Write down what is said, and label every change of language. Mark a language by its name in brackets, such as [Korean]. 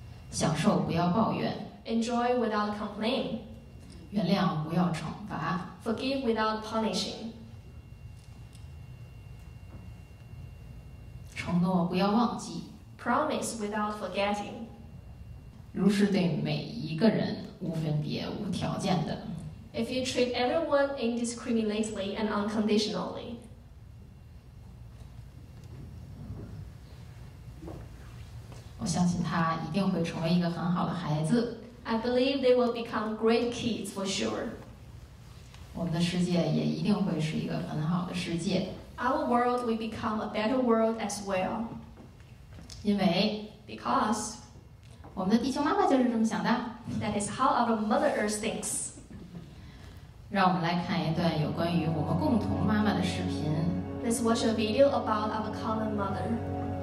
[Chinese] 享受不要抱怨。 [English] Enjoy without complaining. [Chinese] 原谅不要惩罚。 [English] Forgive without punishing. [Chinese] 承诺不要忘记。 [English] Promise without forgetting. [Chinese] 如是对每一个人无分别无条件的。 [English] If you treat everyone indiscriminately and unconditionally. [Chinese] 我相信他一定会成为一个很好的孩子。 [English] I believe they will become great kids for sure. [Chinese] 我们的世界也一定会是一个很好的世界。 [English] Our world will become a better world as well. [Chinese] 因为 [English] Because [Chinese] 我们的地球妈妈就是这么想的。 [English] That is how our Mother Earth thinks. [Chinese] 让我们来看一段有关于我们共同妈妈的视频。 [English] Let's watch a video about our common mother.